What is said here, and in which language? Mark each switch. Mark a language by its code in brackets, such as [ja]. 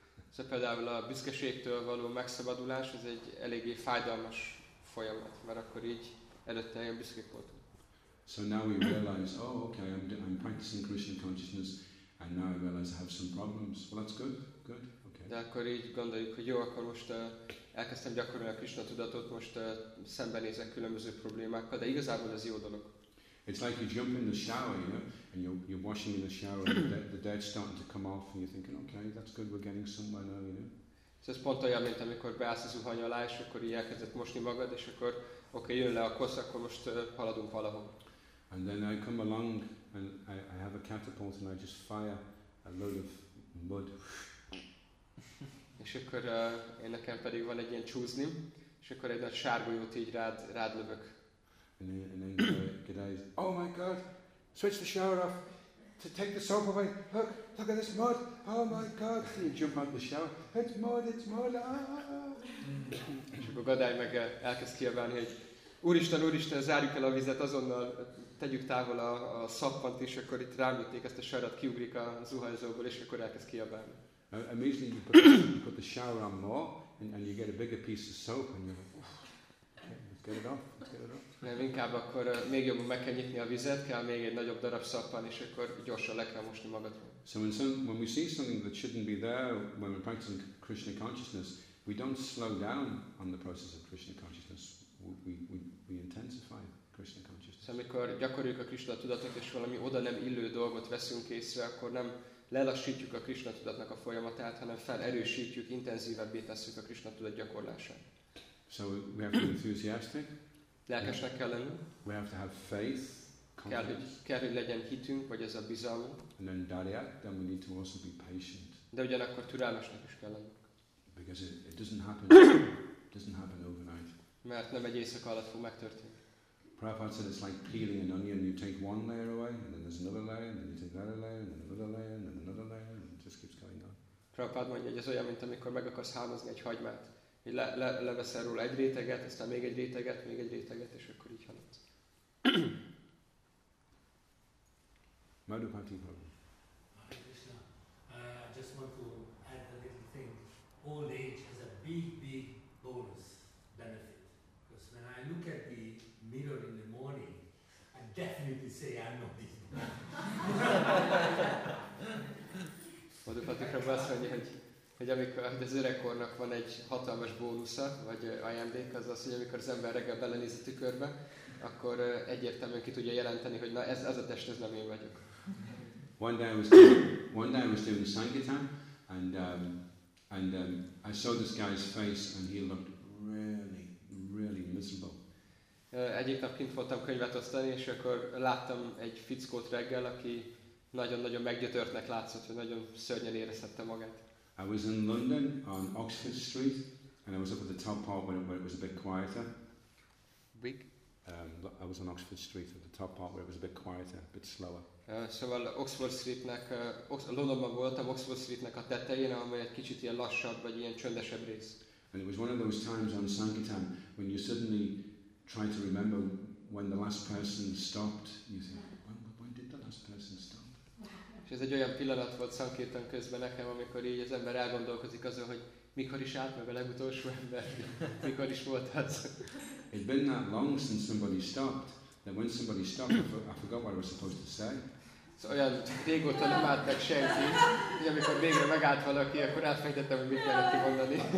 [hu] Szóval például a büszkeségtől való megszabadulás az egy eléggé fájdalmas folyamat, mert akkor így előtte ilyen büszkék voltunk. [en] So now we realize, oh, okay, I'm practicing Krishna consciousness, and now I realize I have some problems. Well, that's good, okay. [hu] De akkor így gondoljuk, hogy jó, akkor most elkezdtem gyakorolni a Krishna tudatot, most szembenézek különböző problémákkal, de igazából ez jó dolog. [en] It's like you jump in the shower, you know, and you're washing in the shower, and the dirt's starting to come off, and you're thinking, okay, that's good, we're getting somewhere now, you know. [hu] Ez pont olyan, mint amikor beállsz a zuhany alá, és akkor így elkezdett mosni magad, és akkor oké, jön le a kosz, akkor most haladunk valahol. [en] And then I come along and I have a catapult and I just fire a load of mud. [hu] És akkor én nekem pedig van egy ilyen csúzni, és akkor egy nagy sárgolyót így rád lövök. [en] And then G'day is, oh my god, switch the shower off, to take the soap away, look at this mud, oh my god, and you jump out the shower, it's mud, ah. [hu] És akkor G'day meg elkezd kiabálni, hogy Úristen, zárjuk el a vizet azonnal, tegyük távol a szappant, és akkor itt rámütnék ezt a sarat, kiugrik a zuhanyzóból, és akkor elkezd kiabálni. [en] Immediately you put the shower on more, and you get a bigger piece of soap, and you're like, let's get it off. [hu] Nem, inkább akkor még jobban meg kell nyitni a vizet, kell még egy nagyobb darab szappan, és akkor gyorsan le kell mosni magadról. [en] So when we see something that shouldn't be there, when we're practicing Krishna consciousness, we don't slow down on the process of Krishna consciousness. We intensify Krishna consciousness. [hu] Szóval amikor gyakoroljuk a Krishna tudatot, és valami oda nem illő dolgot veszünk észre, akkor nem lelassítjuk a Krishna tudatnak a folyamatát, hanem felerősítjük, intenzívebbé tesszük a Krishna tudat gyakorlását. [en] So we have to be enthusiastic. [hu] Lelkesnek kell lennünk. [en] We have to have faith, [hu] kell, hogy legyen hitünk, vagy ez a bizalom. [en] And then Dariak, then we need to also be patient. [hu] De ugyanakkor türelmesnek is kell lennünk. [en] Because it doesn't happen, overnight. [hu] Mert nem egy éjszaka alatt fog megtörténni. [en] Prabhupada said it's like peeling an onion. You take one layer away, and then there's another layer, and then you take another layer, and then another layer, and then another layer, and it just keeps going on. [hu] Prabhupada mondja, hogy ez olyan, mint amikor meg akarsz hámozni egy hagymát. Leveszel róla egy réteget, aztán még egy réteget, és akkor így halad. [en] Madhupati Prabhu. Hare Krishna. I just want to add a little thing. Old age has a big, big bonus benefit. Because when I look at the mirror in the morning, I definitely say I'm not this. [hu] Madhupati Prabhu azt mondja, hogy amikor az öregkornak van egy hatalmas bónusza, vagy ajándék, az az, hogy amikor az ember reggel belenéz a tükörbe, akkor egyértelműen ki tudja jelenteni, hogy na ez a test, ez nem én vagyok. [en] One day I was doing Sankirtan, and I saw this guy's face, and he looked really, really miserable. [hu] Egyik nap kint voltam könyvet osztani, és akkor láttam egy fickót reggel, aki nagyon-nagyon meggyötörtnek látszott, hogy nagyon szörnyen érezhette magát. [en] I was in London on Oxford Street, and I was up at the top part where it was a bit quieter. Big. I was on Oxford Street at the top part where it was a bit quieter, a bit slower. [hu] Szóval Oxford Streetnek, Londonban voltam, Oxford Streetnek a tetején, ami egy kicsit ilyen lassabb vagy ilyen csöndesebb rész. [en] And it was one of those times on Sankirtan when you suddenly try to remember when the last person stopped. You think, when did the last person stop? [hu] Ez egy olyan pillanat volt Sankirtan közben nekem, amikor így az ember elgondolkozik azon, hogy mikor is állt meg a legutolsó ember, mikor is volt az. [en] It'd been that long since somebody stopped, that when somebody stopped, I forgot what I was supposed to say. [hu] Szóval olyan régóta nem állt meg senki, hogy amikor végre megállt valaki, akkor átfejtettem, hogy mit kellett kimondani.